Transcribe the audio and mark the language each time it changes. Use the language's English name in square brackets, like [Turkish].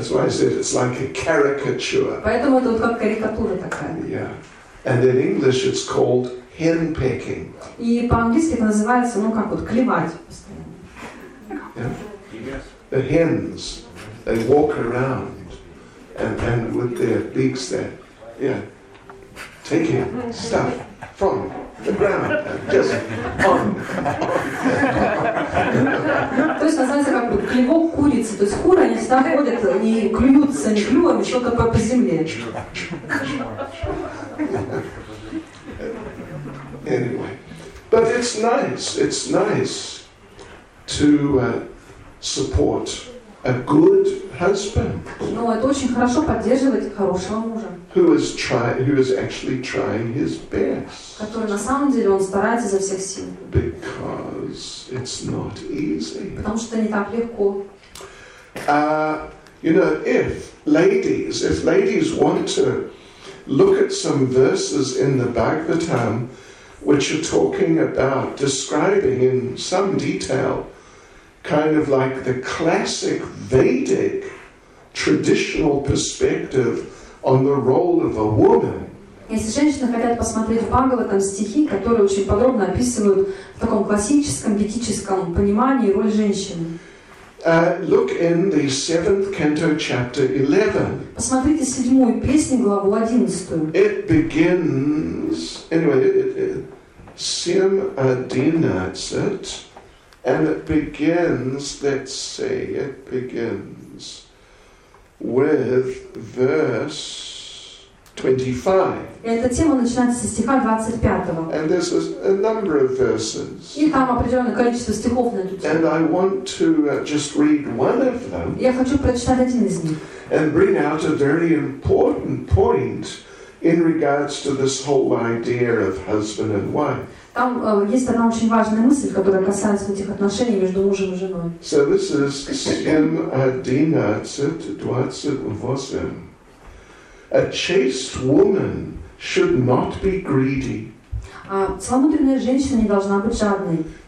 [English] That's why I said it's like a caricature. [Russian] Поэтому это как карикатура такая. [English] Yeah. And in English it's called hen pecking. [Russian] И по-английски это называется, ну как вот, клевать. [English] Yeah. The hens, they walk around and with their beaks there, yeah, taking stuff from the ground and just on. [Russian] То есть называется как бы клювок курицы. То есть куры, они всегда ходят и клюются не клювом, а что-то по земле. [English] Anyway, but it's nice. It's nice to support a good husband. [Russian] Ну, это очень хорошо поддерживать хорошего мужа. [English] Who is actually trying his best. [Russian] Который на самом деле он старается изо всех сил. [English] Because it's not easy. [Russian] Потому что не так легко. [English] You know, if ladies want to look at some verses in the Bhagavatam, which are talking about describing in some detail. Kind of like the classic Vedic traditional perspective on the role of a woman. [Russian] Если женщины хотят посмотреть в Бхагаватам стихи, которые очень подробно описывают в таком классическом ведическом понимании роль женщины. [English] Look in the 7th canto, chapter 11. [Russian] Посмотрите седьмую песню, главу 11. [English] It begins anyway. Sim Adina, that's it. And it begins, let's see, it begins with verse 25. [Russian] Эта тема начинается со стиха 25. [English] And this is a number of verses. [Russian] И там определенное количество стихов на эту тему. [English] And I want to just read one of them. [Russian] Я хочу прочитать один из них. [English] And bring out a very important point in regards to this whole idea of husband and wife. [Russian] Там есть одна очень важная мысль, которая касается этих отношений между мужем и женой. [English] So this is 7:11-28. A chaste woman should not be greedy. [Russian] А целомудренная женщина не должна быть жадной.